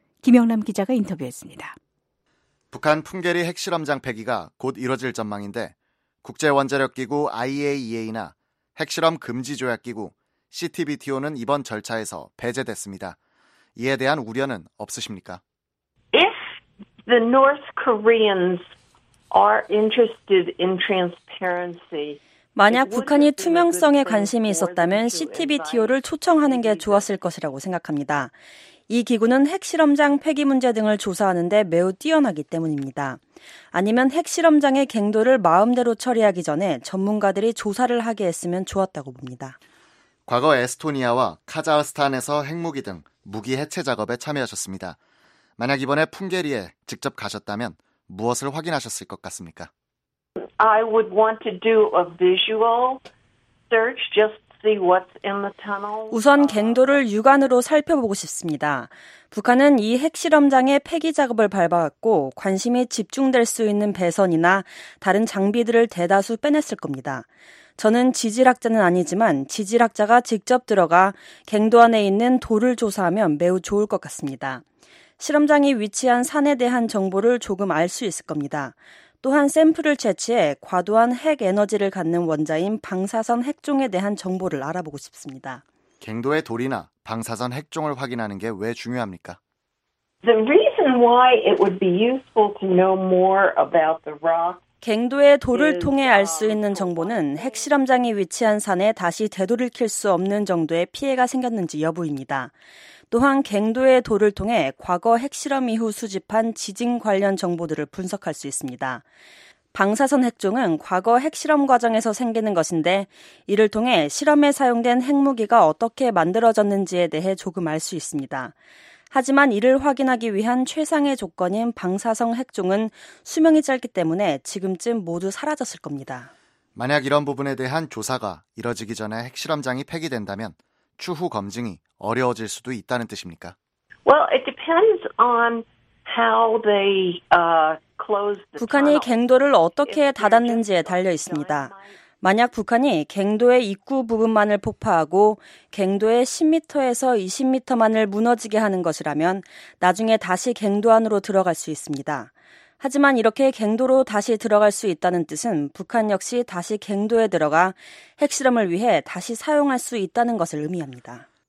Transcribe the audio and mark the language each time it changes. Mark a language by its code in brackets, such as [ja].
[ko] 김영남 기자가 인터뷰했습니다. 북한 풍계리 핵실험장 폐기가 곧 이뤄질 전망인데 국제원자력기구 IAEA나 핵실험금지조약기구 CTBTO는 이번 절차에서 배제됐습니다. 이에 대한 우려는 없으십니까? [en] If the North Koreans are interested in transparency, [ko] 만약 북한이 투명성에 관심이 있었다면 CTBTO를 초청하는 게 좋았을 것이라고 생각합니다. 이 기구는 핵실험장 폐기 문제 등을 조사하는 데 매우 뛰어나기 때문입니다. 아니면 핵실험장의 갱도를 마음대로 처리하기 전에 전문가들이 조사를 하게 했으면 좋았다고 봅니다. 과거 에스토니아와 카자흐스탄에서 핵무기 등 무기 해체 작업에 참여하셨습니다. 만약 이번에 풍계리에 직접 가셨다면 무엇을 확인하셨을 것 같습니까? [en] I would want to do a visual search just see what's in the tunnel. [ko] 우선 갱도를 육안으로 살펴보고 싶습니다. 북한은 이 핵실험장의 폐기 작업을 밟아왔고 관심이 집중될 수 있는 배선이나 다른 장비들을 대다수 빼냈을 겁니다. 저는 지질학자는 아니지만 지질학자가 직접 들어가 갱도 안에 있는 돌을 조사하면 매우 좋을 것 같습니다. 실험장이 위치한 산에 대한 정보를 조금 알 수 있을 겁니다. 또한 샘플을 채취해 과도한 핵 에너지를 갖는 원자인 방사선 핵종에 대한 정보를 알아보고 싶습니다. 갱도의 돌이나 방사선 핵종을 확인하는 게 왜 중요합니까? [en] The reason why it would be useful to know more about the rock. [ko] 갱도의 돌을 통해 알 수 있는 정보는 핵실험장이 위치한 산에 다시 되돌릴 수 없는 정도의 피해가 생겼는지 여부입니다. 또한 갱도의 돌을 통해 과거 핵실험 이후 수집한 지진 관련 정보들을 분석할 수 있습니다. 방사선 핵종은 과거 핵실험 과정에서 생기는 것인데 이를 통해 실험에 사용된 핵무기가 어떻게 만들어졌는지에 대해 조금 알 수 있습니다. 하지만 이를 확인하기 위한 최상의 조건인 방사선 핵종은 수명이 짧기 때문에 지금쯤 모두 사라졌을 겁니다. 만약 이런 부분에 대한 조사가 이뤄지기 전에 핵실험장이 폐기된다면 추후 검증이 어려워질 수도 있다는 뜻입니까? [en] Well, it depends on how they close the tunnel. [ko] 북한이 갱도를 어떻게 닫았는지에 달려 있습니다. 만약 북한이 갱도의 입구 부분만을 폭파하고 갱도의 10m에서 20m만을 무너지게 하는 것이라면 나중에 다시 갱도 안으로 들어갈 수 있습니다. 하지만 이렇게 갱도로 다시 들어갈 수 있다는 뜻은 북한 역시 다시 갱도에 들어가 핵실험을 위해 다시 사용할 수 있다는 것을 의미합니다.